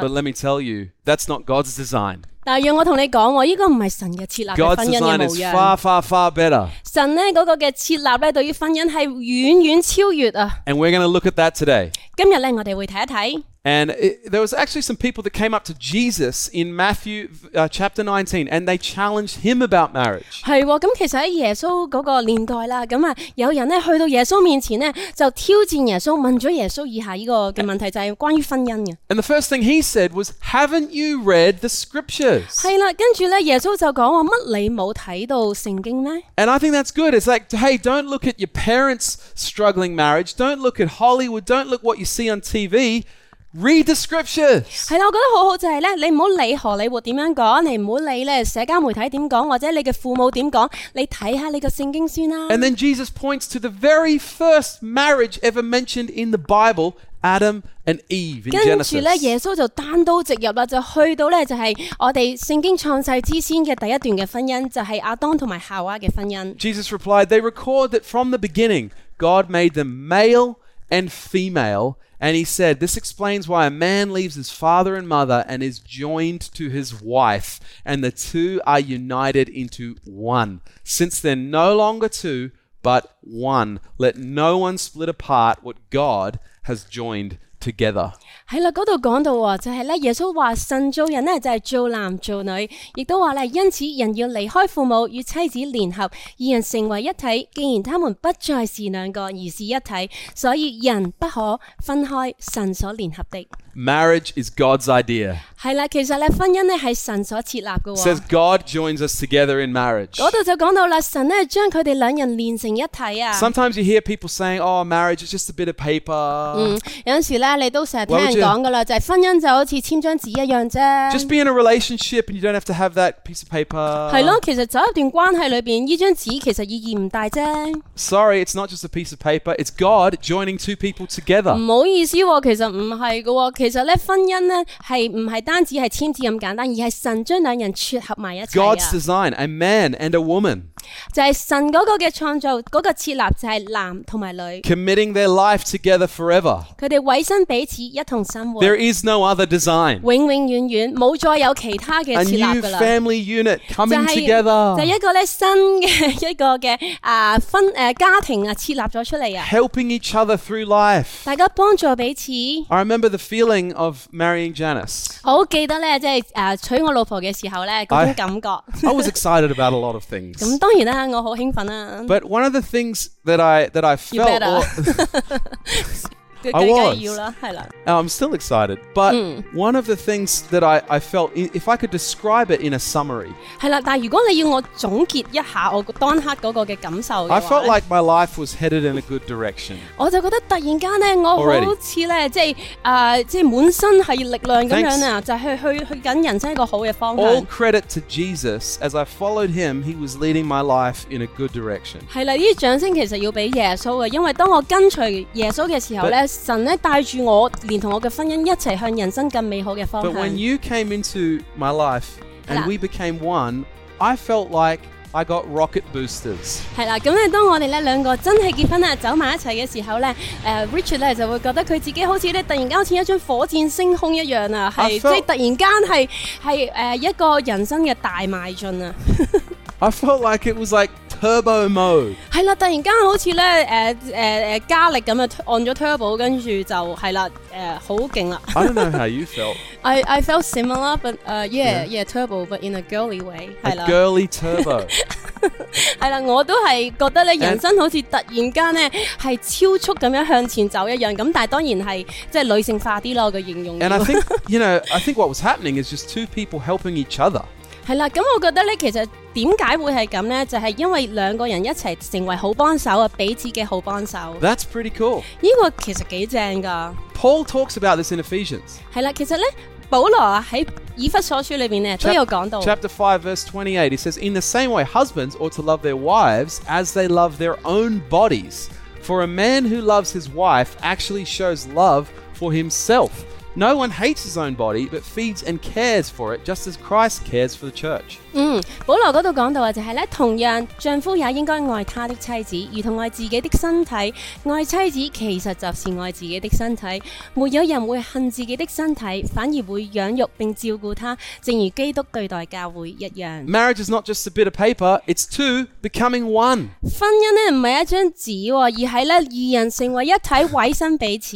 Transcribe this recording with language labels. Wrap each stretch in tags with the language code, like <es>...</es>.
<en>But let me tell you, that's not God's design.</en> <yue>但让我同你讲，我依个唔系神嘅设立嘅婚姻嘅模样。</yue> <en>God's design is far, far, far better.</en> <yue>神咧嗰个嘅设立咧，对于婚姻系远远超越啊。</yue> <en>And we're going to look at that today.</en> <yue>今日咧，我哋会睇一睇。</yue> <en>And there was actually some people that came up to Jesus in Matthew chapter 19, and they challenged him about marriage.</en> <yue>系喎，咁其实喺耶稣嗰个年代啦，咁啊有人咧去到耶稣面前咧，就挑战耶稣，问咗耶稣以下依个嘅问题，就系关于婚姻嘅。</yue> <en>And the first thing he said was, "Haven't you read the scriptures?"</en> <yue>系啦，跟住咧耶稣就讲话乜你冇睇到圣经咩</yue> <en>？And I think that's good. It's like, hey, don't look at your parents' struggling marriage. Don't look at Hollywood. Don't look what you see on TV. Read the scriptures.</en> <yue>系啦，我觉得好好就系咧，你唔好理荷里活点样讲，你唔好理咧社交媒体点讲，或者你嘅父母点讲，你睇下你嘅圣经先啦。</yue> <en>And then Jesus points to the very first marriage ever mentioned in the Bible, Adam and Eve in Genesis.</en> <yue>跟住咧，耶稣就单刀直入啦，就去到咧就系我哋圣经创世之先嘅第一段嘅婚姻，就系亚当同埋夏娃嘅婚姻。</yue> <en>Jesus replied, "They record that from the beginning, God made them male and female." And he said, "This explains why a man leaves his father and mother and is joined to his wife, and the two are united into one. Since they're no longer two, but one, let no one split apart what God has joined together."</en> <yue>喺啦，嗰度讲到喎，就系咧，耶稣话神造人咧，就系做男做女，亦都话咧，因此人要离开父母与妻子联合，二人成为一体。既然他们不再是两个，而是一体，所以人不可分开神所联合的。</yue> <en>Marriage is God's idea.</en> <yue>系啦，其实咧，婚姻咧系神所设立嘅。</yue> <en>Says God joins us together in marriage.</en> <yue>嗰度就讲到啦，神咧将佢哋两人连成一体啊。</yue> <en>Sometimes you hear people saying, "Oh, marriage is just a bit of paper."</en> <yue>嗯，有阵时咧，你都成日听人讲噶啦，就系婚姻就好似签张纸一样啫。</yue> <en>Just be in a relationship, and you don't have to have that piece of paper.</en> <yue>系咯，其实走一段关系里边，依张纸其实意义唔大啫。</yue> <en>Sorry, it's not just a piece of paper. It's God joining two people together.</en> <yue>唔好意思，其实唔系噶。其实咧，婚姻咧系唔系单止系签字咁简单，而系神将两人撮合埋一齐啊</yue> <en>！God's design, a man and a woman，</en> <yue>就系神嗰个嘅创造，嗰个设立就系男同埋女</yue> <en>，committing their life together forever。</en> <yue>佢哋委身彼此，一同生活。</yue> <en>There is no other design，</en> <yue>永永远远冇再有其他嘅设立噶啦。</yue> <en>A new family unit coming together，</en> <yue>就一个咧新嘅一个嘅家庭啊，设立咗出嚟啊。</yue> <en>Helping each other through life，</en> <yue>大家帮助彼此。</yue> <en>I remember the feelingOf marrying Janice.</en> <yue>好记得咧，即系娶我老婆嘅时候咧，嗰种感觉。</yue> <en>I was excited about a lot of things.</en> <yue>咁当然啦，我好兴奋啦。</yue> <en>But one of the things that I felt, you better. I was. I'm still excited. But one of the things that I felt, if I could describe it in a summary.</en> <yue>系啦，但如果你要我总结一下我当刻嗰个嘅感受嘅话</yue> <en>，I felt like my life was headed in a good direction.</en> <yue>我就觉得突然间咧，我好似咧，即系满身系力量咁样啊，就去紧人生一个好嘅方向。</yue> <en>All credit to Jesus, as I followed him, he was leading my life in a good direction.</en> <yue>系啦，呢啲掌声其实要俾耶稣嘅，因为当我跟随耶稣嘅时候咧。神咧带住我，连同我嘅婚姻一齐向人生更美好嘅方向。</yue> <en>But when you came into my life and we became one, I felt like I got rocket boosters.</en> <yue>系啦，咁咧当我哋咧两个真系结婚啦，走埋一齐嘅时候咧，Richard 咧就会觉得佢自己好似咧突然间好似一张火箭升空一样啊，系即系突然间系一个人生嘅大迈进啊。</yue> <en>I felt like it was like turbo mode.</en> <yue>系啦，突然间好似咧，加力咁啊，按咗 turbo， 跟住就系啦，好劲啦。</yue> <en>I don't know how you felt. I felt similar, but yeah, turbo, but in a girly way. A girly turbo.</en> <yue>系啦，我都系觉得咧，人生好似突然间咧系超速咁样向前走一样。咁但系当然系即系女性化啲咯，个形容。</yue> <en>And I think you know, I think what was happening is just two people helping each other。</en> <yue>系啦，咁我觉得咧，其实点解会系咁咧？就系因为两个人一齐成为好帮手啊，彼此嘅好帮手。</yue> <en>That's pretty cool。</en> <yue>呢个其实几正噶。</yue> <en>Paul talks about this in Ephesians。</en> <yue>系啦，其实咧，保罗喺以弗所书里边咧都有讲到。</yue> <en>Chapter 5, verse 28, he says, "In the same way, husbands ought to love their wives as they love their own bodies. For a man who loves his wife actually shows love for himself." No one hates his own body, but feeds and cares for it, just as Christ cares for the church.</en> <yue>嗯，保罗嗰度讲到啊，就系咧，同样丈夫也应该爱他的妻子，如同爱自己的身体。爱妻子其实就是爱自己的身体。没有人会恨自己的身体，反而会养育并照顾他，正如基督对待教会一样。</yue> <en>Marriage is not just a bit of paper; it's two becoming one.</en> <yue>婚姻咧唔系一张纸，而系咧二人成为一体，委身彼此。</yue>